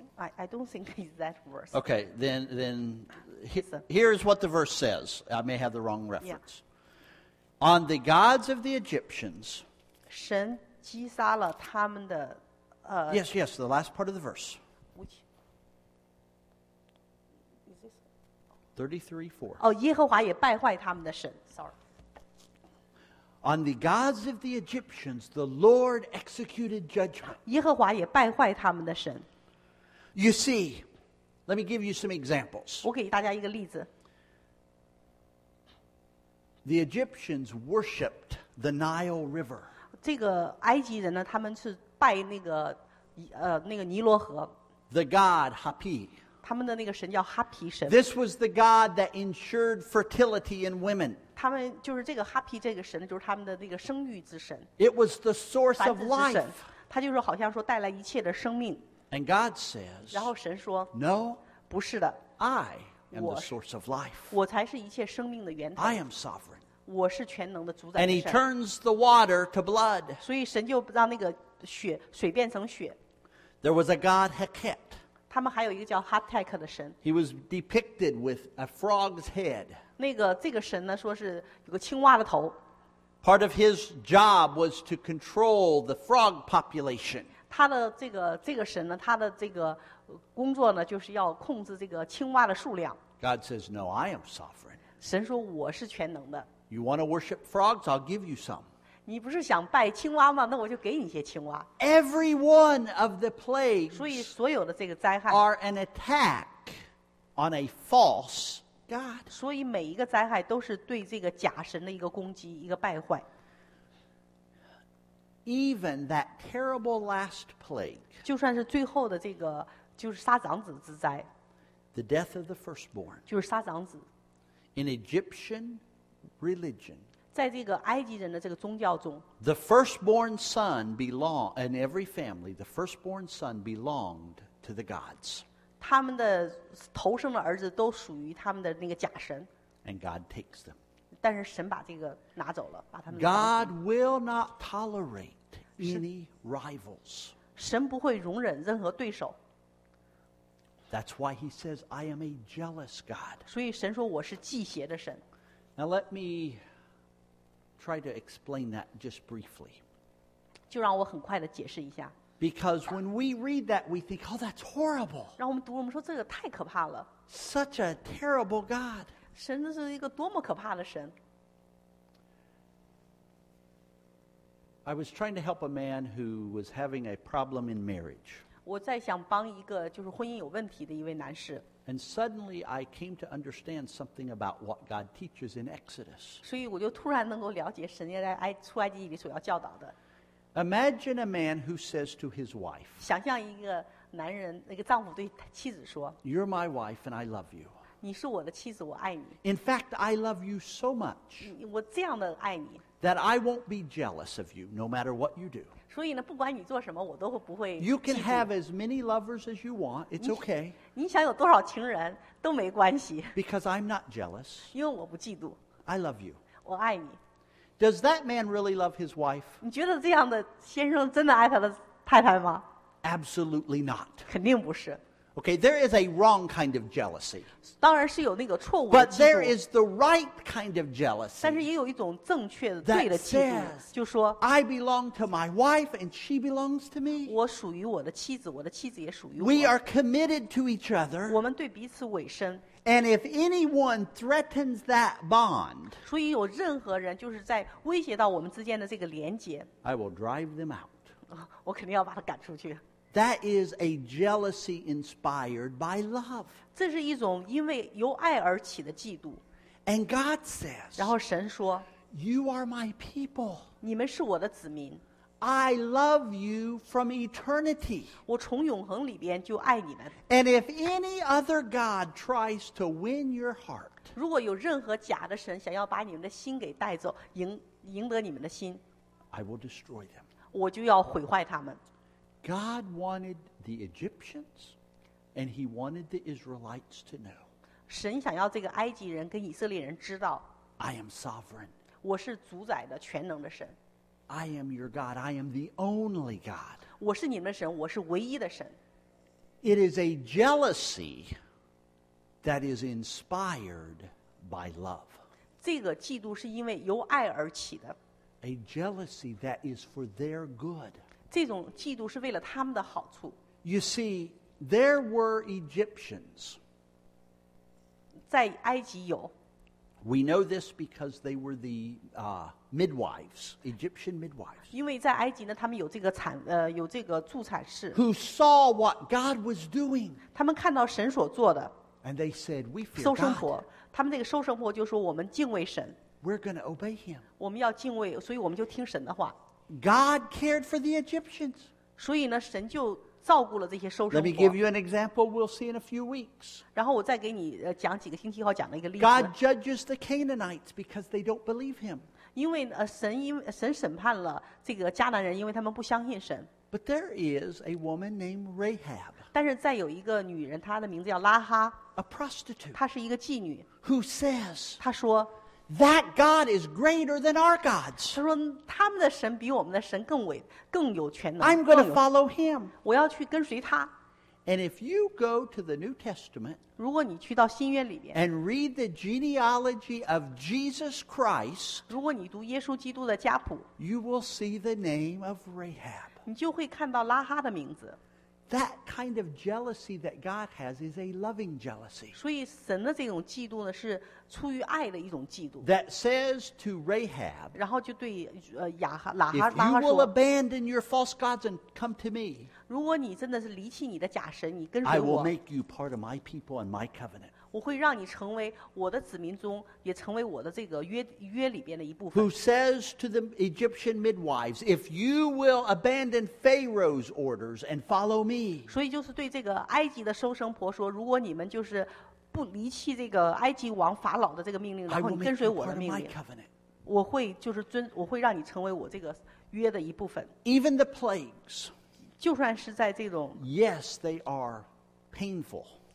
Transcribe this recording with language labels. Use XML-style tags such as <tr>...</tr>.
<en>I don't think it's that verse. Okay, then here's what the verse says. I may have the wrong reference. Yeah. On the gods of the Egyptians,</en> <zh>神击杀了他们的</zh> <en>Yes, the last part of the verse. Which? Is this?</en> <zh>33:4. Oh, 耶和华也败坏他们的神.</zh> <en>Sorry. On the gods of the Egyptians, the Lord executed judgment.</en> <zh>耶和华也败坏他们的神.</zh> <en>You see, let me give you some examples.</en> <zh>我给大家一个例子.</zh> <en>The Egyptians worshipped the Nile River.</en> <zh>这个埃及人呢，他们是拜那个尼罗河.</zh> <en>The god Hapi.</en> <zh>他们的那个神叫哈皮神.</zh> <en>This was the god that ensured fertility in women.</en> <zh>他们就是这个哈皮这个神，就是他们的那个生育之神.</zh> <en>It was the source of life.</en> <zh>他就是好像说带来一切的生命.</zh> <en>And God says,</en> <zh>然后神说,</zh> <en>No,</en> <zh>不是的,</zh> <en>I am the source of life.</en> <zh>我才是一切生命的源头.</zh> <en>I am sovereign.</en> <zh>我是全能的主宰</zh> <en>神. And he turns the water to blood.</en> <zh>所以神就让那个血水变成血.</zh> <en>There was a god Heket.</en> <zh>他们还有一个叫 Hatek 的神.</zh> <en>He was depicted with a frog's head.</en> <zh>那个这个神呢，说是有个青蛙的头.</zh> <en>Part of his job was to control the frog population.</en> <zh>他的这个神呢，他的这个工作呢，就是要控制这个青蛙的数量.</zh> <en>God says, No, I am sovereign.</en> <zh>神说我是全能的.</zh> <en>You want to worship frogs? I'll give you some.</en> <zh>你不是想拜青蛙吗？那我就给你一些青蛙。</zh> <en>Every one of the plagues,</en> <zh>所以所有的这个灾害</zh> <en>are an attack on a false god.</en> <zh>所以每一个灾害都是对这个假神的一个攻击，一个败坏。</zh> <en>Even that terrible last plague,</en> <zh>就算是最后的这个就是杀长子之灾</zh> <en>，the death of the firstborn,</en> <zh>就是杀长子</zh> <en>，in Egyptian religion.</en> <zh>在这个埃及人的这个宗教中</zh> <en>，the firstborn son belong in every family. The firstborn son belonged to the gods.</en> <zh>他们的头生的儿子都属于他们的那个假神。</zh> <en>And God takes them.</en> <zh>但是神把这个拿走了，把他们。</zh> <en>God will not tolerate any rivals.</en> <zh>神不会容忍任何对手。</zh> <en>That's why He says, "I am a jealous God."</en> <zh>所以神说我是忌邪的神。</zh> <en>Now let me try to explain that just briefly.</en> <zh>就让我很快的解释一下。</zh> <en>Because when we read that, we think, "Oh, that's horrible."</en> <zh>让我们读，我们说这个太可怕了。</zh> <en>Such a terrible God.</en> <zh>神是一个多么可怕的神。</zh> <en>I was trying to help a man who was having a problem in marriage.</en> <zh>我在想帮一个就是婚姻有问题的一位男士。</zh> <en>And suddenly I came to understand something about what God teaches in Exodus.</en> <zh>所以我就突然能够了解神在出埃及记里所要教导的。</zh> <en>Imagine a man who says to his wife,</en> <zh>想象一个男人，那个丈夫对妻子说，</zh> <en>"You're my wife and I love you."</en> <zh>你是我的妻子，我爱你。</zh> <en>In fact, I love you so much.</en> <zh>我这样的爱你。</zh> <en>That I won't be jealous of you, no matter what you do.</en> <zh>所以呢，不管你做什么，我都不会。</zh> <en>You can have as many lovers as you want. It's okay.</en> <zh>你想有多少情人都没关系。</zh> <en>Because I'm not jealous.</en> <zh>因为我不嫉妒。</zh> <en>I love you.</en> <zh>我爱你。</zh> <en>Does that man really love his wife?</en> <zh>你觉得这样的先生真的爱他的太太吗？</zh> <en>Absolutely not.</en> <zh>肯定不是。</zh> <en>Okay, there is a wrong kind of jealousy.</en> <zh>当然是有那个错误的嫉妒。</zh> <en>But there is the right kind of jealousy.</en> <zh>但是也有一种正确的对的嫉妒，就说</zh> <en>I belong to my wife and she belongs to me.</en> <zh>我属于我的妻子，我的妻子也属于我。</zh> <en>We are committed to each other.</en> <zh>我们对彼此委身。</zh> <en>And if anyone threatens that bond,</en> <zh>所以有任何人就是在威胁到我们之间的这个连结。</zh> <en>I will drive them out.</en> <zh>我肯定要把他赶出去。</zh> <en>That is a jealousy inspired by love.</en> <zh>这是一种因为由爱而起的嫉妒。</zh> <en>And God says,</en> <zh>然后神说，</zh> <en>You are my people.</en> <zh>你们是我的子民。</zh> <en>I love you from eternity.</en> <zh>我从永恒里边就爱你们。</zh> <en>And if any other God tries to win your heart,</en> <zh>如果有任何假的神想要把你们的心给带走，赢得你们的心，</zh> <en>I will destroy them.</en> <zh>我就要毁坏他们。</zh> <en>God wanted the Egyptians and he wanted the Israelites to know.</en> <zh>神想要这个埃及人跟以色列人知道。</zh> <en>I am sovereign.</en> <zh>我是主宰的全能的神。</zh> <en>I am your God. I am the only God.</en> <zh>我是你们的神，我是唯一的神。</zh> <en>It is a jealousy that is inspired by love.</en> <zh>这个嫉妒是因为由爱而起的。</zh> <en>A jealousy that is for their good.</en> <zh>这种嫉妒是为了他们的好处。</zh> <en>You see, there were Egyptians.</en> <zh>在埃及有。</zh> <en>We know this because they were the midwives, Egyptian midwives.</en> <zh>因为在埃及呢，他们有这个产有这个助产士。</zh> <en>Who saw what God was doing?</en> <zh>他们看到神所做的。</zh> <en>And they said, "We fear God."</en> <zh>收生婆，他们那个收生婆就说：“我们敬畏神。</zh> <en>We're going to obey Him."</en> <zh>我们要敬畏，所以我们就听神的话。</zh> <en>God cared for the Egyptians.</en> <zh>所以呢，神就照顾了这些收生婆。</zh> <en>Let me give you an example we'll see in a few weeks.</en> <zh>然后我再给你讲几个星期后讲的一个例子。</zh> <en>God judges the Canaanites because they don't believe Him.</en> <zh>因为神审判了这个迦南人，因为他们不相信神。</zh> <en>But there is a woman named Rahab.</en> <zh>但是再有一个女人，她的名字叫拉哈。</zh> <en>A prostitute.</en> <zh>她是一个妓女。</zh> <en>Who says?</en> <zh>她说。</zh> <en>That God is greater than our gods.</en> <zh>他说他们的神比我们的神更有权能。</zh> <en>I'm going to follow him.</en> <zh>我要去跟随他。</zh> <en>And if you go to the New Testament,</en> <zh>如果你去到新约里面</zh> <en>and read the genealogy of Jesus Christ,</en> <zh>如果你读耶稣基督的家谱</zh> <en>you will see the name of Rahab.</en> <zh>你就会看到拉哈的名字。</zh> <en>That kind of jealousy that God has is a loving jealousy.</en> <zh>所以神的这种嫉妒呢，是出于爱的一种嫉妒。</zh> <en>That says to Rahab,</en> <zh>然后就对亚哈拉哈说，</zh> <en>If you will abandon your false gods and come to me,</en> <zh>如果你真的是离弃你的假神，你跟随我，</zh> <en>I will make you part of my people and my covenant.</en> <zh>我会让你成为我的子民中，也成为我的这个约里边的一部分。</zh> <en>Who says to the Egyptian midwives, "If you will abandon Pharaoh's orders and follow me"?</en> <zh>所以就是对这个埃及的收生婆说，如果你们就是不离弃这个埃及王法老的这个命令，然后你跟随我的命令，我会让你成为我这个约的一部分。</zh> <en>Even the plagues,</en> <zh>就算是在这种</zh> <en>yes, they are painful.</en>